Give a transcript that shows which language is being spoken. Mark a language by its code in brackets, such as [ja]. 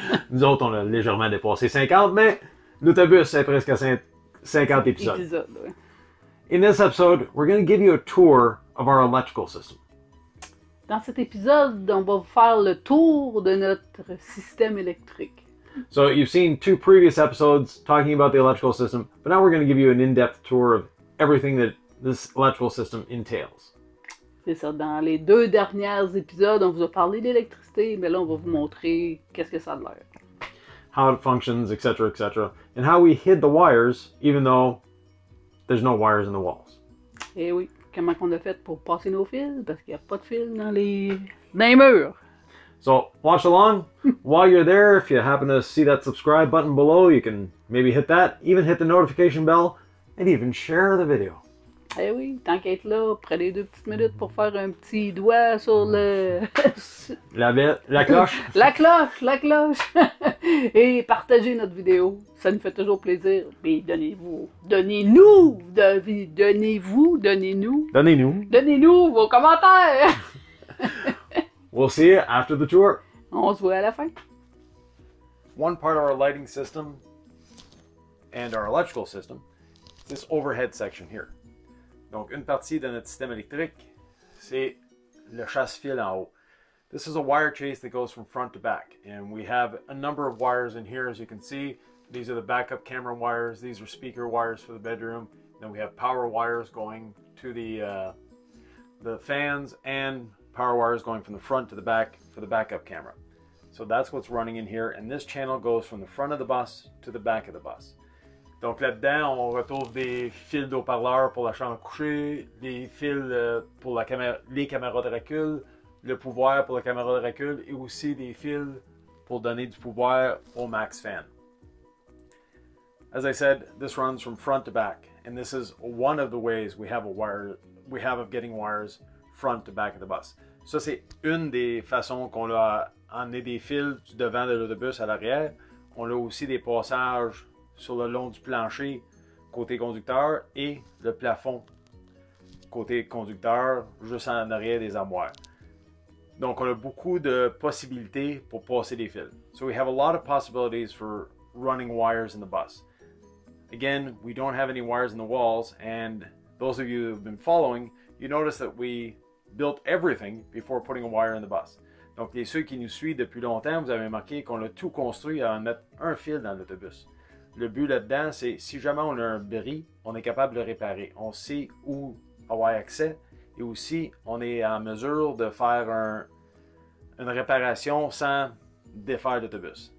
[fr] Nous autres, on a légèrement dépassé 50, mais l'autobus est presque à 50 épisodes. [en] In this episode, we're going to give you a tour of our electrical system. [fr] Dans cet épisode, on va vous faire le tour de notre système électrique. [en] So you've seen two previous episodes talking about the electrical system, but now we're going to give you an in-depth tour of everything that this electrical system entails. [fr] C'est ça. Dans les deux derniers épisodes, on vous a parlé d'électricité, mais là, on va vous montrer qu'est-ce que ça a l'air. [en] How it functions, etc., etc., and how we hid the wires, even though there's no wires in the walls. [fr] Eh oui. Comment qu'on a fait pour passer nos fils, parce qu'il n'y a pas de fils dans les murs. [en] So, watch along. While you're there, if you happen to see that subscribe button below, you can maybe hit that, even hit the notification bell, and even share the video. [fr] Eh oui, tant qu'être là, prenez deux petites minutes pour faire un petit doigt sur le... la cloche. la cloche. Et partagez notre vidéo, ça nous fait toujours plaisir. Et donnez-nous vos commentaires. [en] We'll see you after the tour. [fr] On se voit à la fin. [en] One part of our lighting system and our electrical system is this overhead section here. [fr] Donc, une partie de notre système électrique, c'est le chasse-fil en haut. [en] This is a wire chase that goes from front to back. And we have a number of wires in here, as you can see. These are the backup camera wires. These are speaker wires for the bedroom. Then we have power wires going to the fans and power wires going from the front to the back for the backup camera. So that's what's running in here. And this channel goes from the front of the bus to the back of the bus. [fr] Donc là-dedans, on retrouve des fils d'eau-parleur pour la chambre à coucher, des fils pour les caméras de recul, le pouvoir pour la caméra de recul, et aussi des fils pour donner du pouvoir au max fan. [en] As I said, this runs from front to back, and this is one of the ways we have of getting wires front to back of the bus. [fr] Ça, c'est une des façons qu'on a amené des fils du devant de l'autobus à l'arrière. On a aussi des passages sur le long du plancher côté conducteur et le plafond côté conducteur juste en arrière des armoires. Donc on a beaucoup de possibilités pour passer des fils. [en] So we have a lot of possibilities for running wires in the bus. Again, we don't have any wires in the walls, and those of you who have been following, you notice that we built everything before putting a wire in the bus. [fr] Donc les ceux qui nous suivent depuis longtemps, vous avez remarqué qu'on a tout construit avant de mettre un fil dans l'autobus. Le but là-dedans, c'est si jamais on a un bris, on est capable de le réparer. On sait où avoir accès et aussi on est en mesure de faire une réparation sans défaire l'autobus.